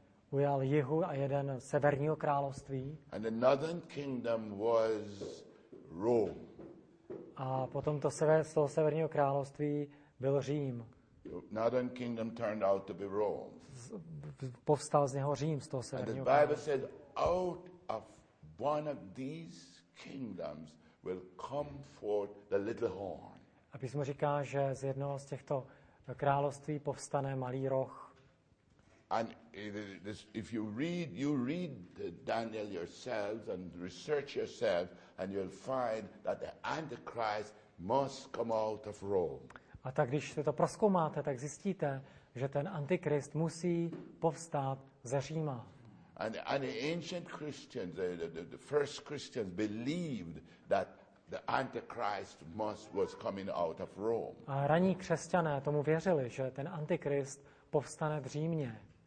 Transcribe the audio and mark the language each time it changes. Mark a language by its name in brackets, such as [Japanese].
[Czech] ujal jihu a jeden severního království. [English] And the northern kingdom was Rome. [Czech] A potom to z toho severního království byl Řím. [English] Northern kingdom turned out to be Rome. [Czech] Povstal z něho Řím, z toho severního království. [English] And the Bible said, out of one of these kingdoms will come forth the little horn. [Czech] A písmo říká, že z jednoho z těchto království povstane malý roh. [English] And if you read Daniel yourselves and research yourself, and you'll find that the Antichrist must come out of Rome. [Czech] A tak když se to prozkoumáte, tak zjistíte, že ten antikrist musí povstát ze Říma. [English] And the ancient Christians, the first Christians believed that the Antichrist was coming out of Rome. [Czech] A ranní křesťané tomu věřili, že ten antikrist povstane v Římě.